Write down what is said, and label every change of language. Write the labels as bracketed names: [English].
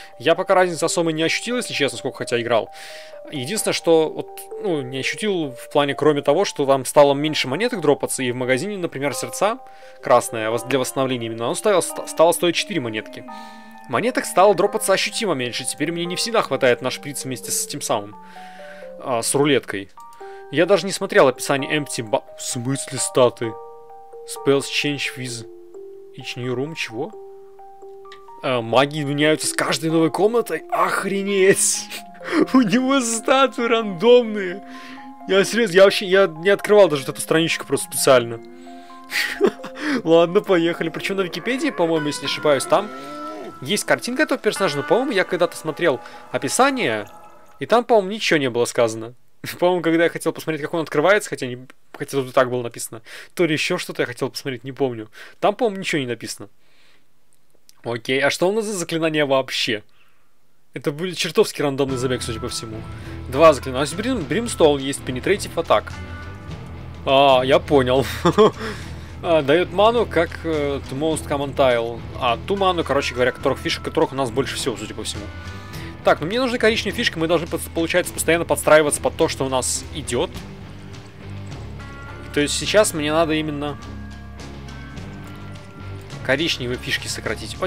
[Russian] Я пока разницы особо не ощутил, если честно, сколько хотя играл. Единственное, что вот, ну, не ощутил в плане, кроме того, что там стало меньше монеток дропаться, и в магазине, например, сердца красное для восстановления именно, оно стало стоить 4 монетки. Монеток стало дропаться ощутимо меньше, теперь мне не всегда хватает на шприц вместе с тем самым, с рулеткой. Я даже не смотрел описание Empty Bamba... В смысле статы? [English] Spells change with each new room? [Russian] Чего? Маги меняются с каждой новой комнатой? Охренеть! У него статы рандомные! Я серьезно, я вообще я не открывал даже эту страничку просто специально. Ладно, поехали. Причем на Википедии, по-моему, если не ошибаюсь, там есть картинка этого персонажа, но, по-моему, я когда-то смотрел описание, и там, по-моему, ничего не было сказано. По-моему, когда я хотел посмотреть, как он открывается, хотя, не... хотя тут и так было написано. То ли еще что-то я хотел посмотреть, не помню. Там, по-моему, ничего не написано. Окей, а что у нас за заклинание вообще? Это будет чертовски рандомный забег, судя по всему. Два заклинания. У нас Brimstone есть, Penetrative Attack. А, я понял. Дает ману, как [English] The Most Common Tile. [Russian] А, ту ману, короче говоря, которых фишек, которых у нас больше всего, судя по всему. Так, ну мне нужны коричневые фишки, мы должны, получается, постоянно подстраиваться под то, что у нас идет. То есть сейчас мне надо именно коричневые фишки сократить.